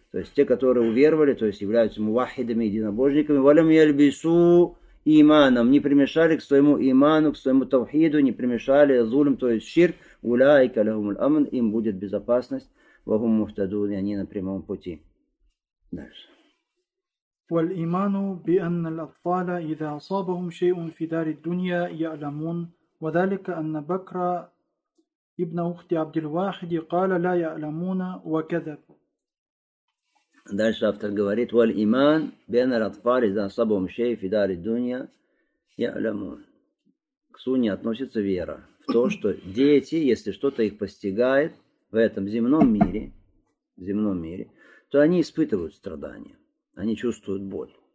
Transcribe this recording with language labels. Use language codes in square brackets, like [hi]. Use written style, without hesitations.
[ru] То есть те, которые уверовали, то есть являются муваххидами, единобожниками, [ar] валям яльбису иманом, [ru] не примешали к своему иману, к своему тавхиду, не примешали зульм, то есть ширк, [ar] уляйка лахум аль-амн, [ru] им будет безопасность, [ar] вахум мухтадун, [ru] и они на прямом пути. Дальше. [ar] والإيمان بأن الأطفال إذا أصابهم شيء في دار الدنيا يعلمون وذلك أن بكر ابن أخت عبد الواحد قال لا يعلمون وكذب. [ru] Дальше автор говорит: [ar] والإيمان بأن الأطفال إذا أصابهم شيء في دار الدنيا يعلمون. [ru] К сунне относится вера в то, что дети, если что-то их постигает в этом земном мире, то они испытывают страдания. Они чувствуют боль.